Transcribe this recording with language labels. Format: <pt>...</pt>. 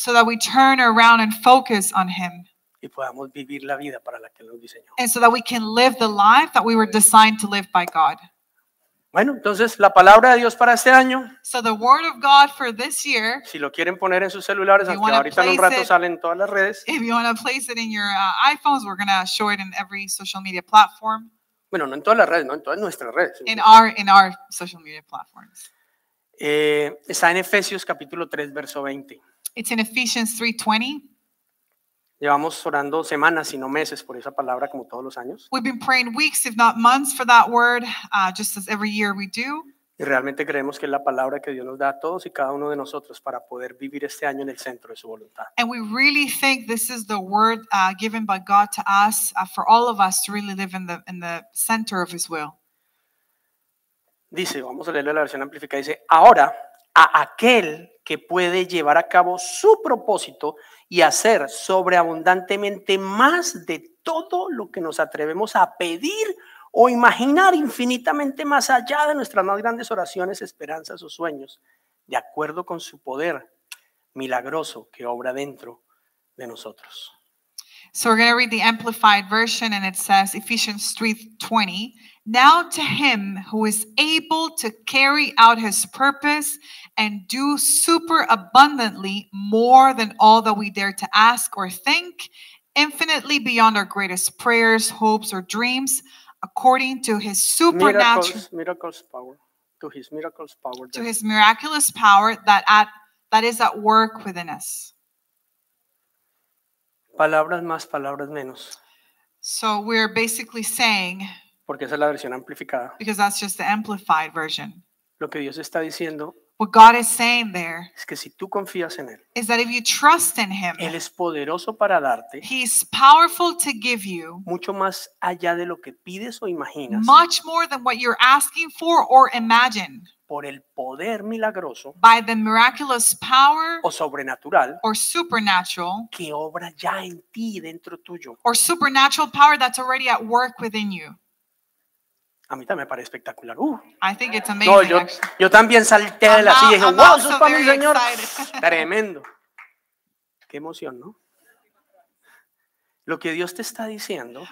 <en>So that we turn around and focus on Him.</en> <es>Y podamos vivir la vida para la que nos diseñó.</es> <en>And so that we can live the life that we were designed to live by God.</en> <es>Bueno, entonces la palabra de Dios para este año.</es> <en>So the word of God for this year.</en> <es>Si lo quieren poner en sus celulares, aunque ahorita en un rato salen todas las redes.</es> <en>If you want to place it in your iPhones, we're going to show it in every social media platform.</en> <es>Bueno, no en todas las redes, no en todas nuestras redes.</es> <en>In our social media platforms.</en> <es>Está en Efesios capítulo 3 verso 20.</es> <en>It's in Ephesians 3:20.</en> <es>Llevamos orando semanas, si no meses, por esa palabra como todos los años.</es> <en>We've been praying weeks, if not months, for that word, just as every year we do.</en> <es>Y realmente creemos que es la palabra que Dios nos da a todos y cada uno de nosotros para poder vivir este año en el centro de su voluntad.</es> <en>And we really think this is the word given by God to us, for all of us to really live in the center of His will.</en> <es>Dice, vamos a leerle la versión amplificada, dice, ahora, a aquel que puede llevar a cabo su propósito y hacer sobreabundantemente más de todo lo que nos atrevemos a pedir o imaginar infinitamente más allá de nuestras más grandes oraciones, esperanzas o sueños, de acuerdo con su poder milagroso que obra dentro de nosotros.</es> <en>So we're going to read the Amplified Version, and it says, Ephesians 3:20, now to Him who is able to carry out His purpose and do super abundantly more than all that we dare to ask or think, infinitely beyond our greatest prayers, hopes, or dreams, according to His supernatural... Miracles power. To His miracles power. To His miraculous power that is at work within us.</en> <es>Palabras más, palabras menos.</es> <en>So we're basically saying,</en> <es>porque esa es la versión amplificada.</es> <en>Because that's just the amplified version.</en> <es>Lo que Dios está diciendo,</es> <en>what God is saying there,</en> <es>es que si tú confías en él,</es> <en>is that if you trust in him,</en> <es>él es poderoso para darte,</es> <en>he's powerful to give you,</en> <es>mucho más allá de lo que pides o imaginas,</es> <en>much more than what you're asking for or imagine,</en> <es>por el poder milagroso,</es> <en>by the miraculous power,</en> <es>o sobrenatural,</es> <en>or supernatural,</en> <es>que obra ya en ti dentro tuyo,</es> <en>or supernatural power that's already at work within you.</en> <es>A mí también me parece espectacular.</es> <en>I think it's amazing.</en> <es>No, yo también salté de la silla y dije, wow, eso es para mi Señor. Tremendo. Qué emoción, ¿no? Lo que Dios te está diciendo,</es>